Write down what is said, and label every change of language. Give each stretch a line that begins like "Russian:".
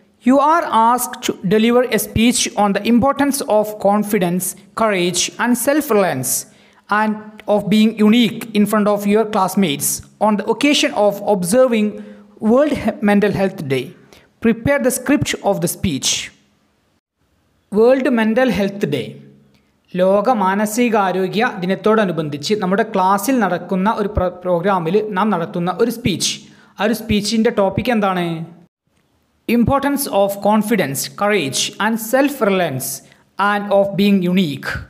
English: You are asked to deliver a speech on the importance of confidence, courage, and self-reliance and of being unique in front of your classmates on the occasion of observing World Mental Health Day. Prepare the script of the speech. World Mental Health Day.
Malayalam: ലോക മാനസികാരോഗ്യ ദിനത്തോടനുബന്ധിച്ച് നമ്മുടെ ക്ലാസ്സിൽ നടക്കുന്ന ഒരു പ്രോഗ്രാമിൽ നാം നടത്തുന്ന ഒരു സ്പീച്ച്. ആ ഒരു സ്പീച്ചിൻ്റെ ടോപ്പിക് എന്താണ്?
English: Importance of confidence, courage, and self-reliance, and of being unique.